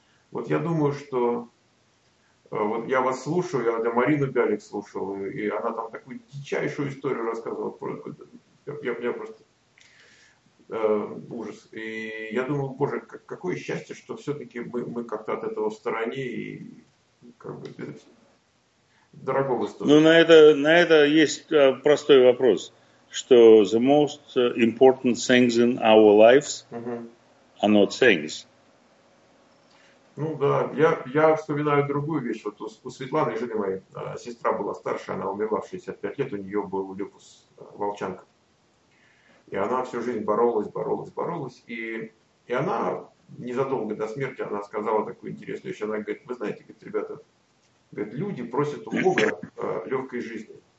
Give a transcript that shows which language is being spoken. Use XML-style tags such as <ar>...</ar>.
<ru>Вот я думаю, что вот я вас слушаю, я Марину Бялик слушал, и она там такую дичайшую историю рассказывала. Я просто ужас. И я думаю, боже, какое счастье, что все-таки мы как-то от этого в стороне и как бы дорогого стоит. Ну, на это есть простой вопрос. Что</ru> <en>the most important things in our lives are not things.</en> <ru>Ну да, я вспоминаю другую вещь. Вот у Светланы, жены моей, сестра была старше, она умерла в 65 лет, у нее был люпус, волчанка. И она всю жизнь боролась. И она незадолго до смерти она сказала такую интересную вещь. Она говорит, вы знаете, говорит, ребята, говорит, люди просят у Бога легкой жизни.</ru>